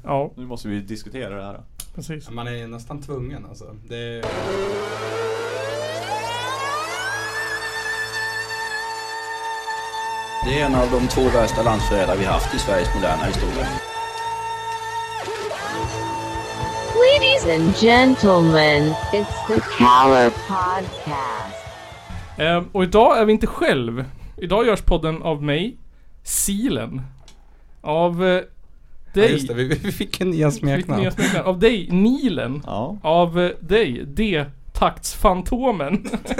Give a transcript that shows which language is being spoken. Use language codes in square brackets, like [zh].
[sv] Ja. Nu måste vi diskutera det här. Precis. Man är nästan tvungen alltså. Det är... det är en av de två värsta landsförrädare vi haft i Sveriges moderna historia. [en] Ladies and gentlemen, it's the Caller Podcast. [sv] Och idag är vi inte själv. Idag görs podden av mig, Silen. Av dig. Ja, just det, vi fick en nya smeknamn. Av dig, Nilen. Ja. Av dig, D-taktsfantomen.